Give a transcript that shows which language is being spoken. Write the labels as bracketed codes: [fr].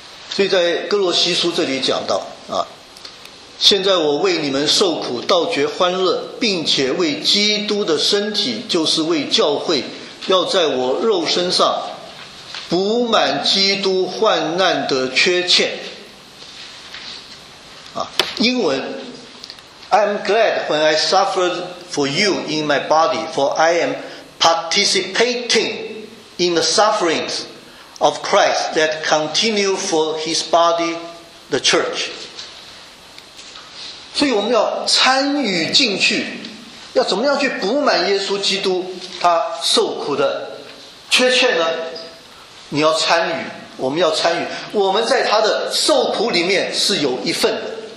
[zh] 所以在哥罗西书这里讲到啊，现在我为你们受苦倒觉欢乐，并且为基督的身体，就是为教会，要在我肉身上补满基督患难的缺欠啊。英文 [en] I am glad when I suffered for you in my body, for I am participating in the sufferings of Christ that continue for his body, the church. [zh] 所以我们要参与进去，要怎么样去补满耶稣基督他受苦的缺缺呢？你要参与，我们要参与，我们在他的受苦里面是有一份的。